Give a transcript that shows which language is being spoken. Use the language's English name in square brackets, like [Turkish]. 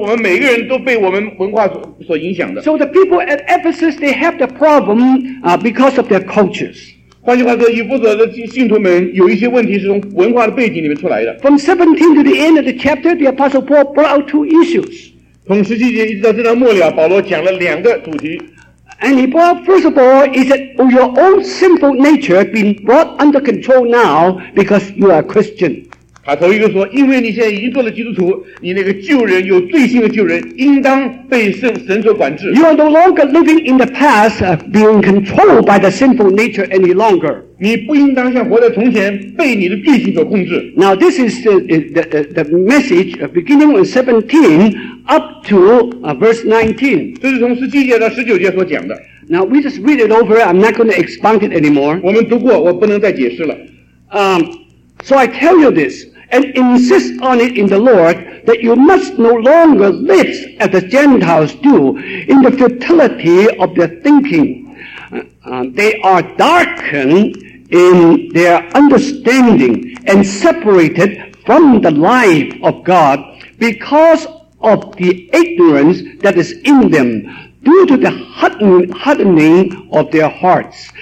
[Chinese] 有人说文化好像是父亲一样，意思就是我们每个人都被我们文化所影响的。 [English] So the people at Ephesus they have the problem because of their cultures. [Chinese] 换句话说，以弗所的信徒们有一些问题是从文化的背景里面出来的。 [English] From 17 to the end of the chapter, the apostle Paul brought out two issues. [Chinese] 从十七节一直到这段末了，保罗讲了两个主题。 [English] And he brought first of all is that your own sinful nature being brought under control now because you are a Christian. [Chinese] 他头一个说,因为你现在已经做了基督徒,你那个旧人,有罪性的旧人,应当被神所管制。 [English] You are no longer living in the past, being controlled by the sinful nature any longer. [Chinese] 你不应当像活在从前,被你的罪性所控制。 [English] Now this is the message beginning with 17 up to verse 19. [Chinese] 这是从17节到19节所讲的。 [English] Now we just read it over, I'm not going to expound it anymore. [Chinese] 我们读过,我不能再解释了。 [English] So I tell you this, and insist on it in the Lord that you must no longer live as the Gentiles do in the futility of their thinking. They are darkened in their understanding and separated from the life of God because of the ignorance that is in them due to the hardening of their hearts.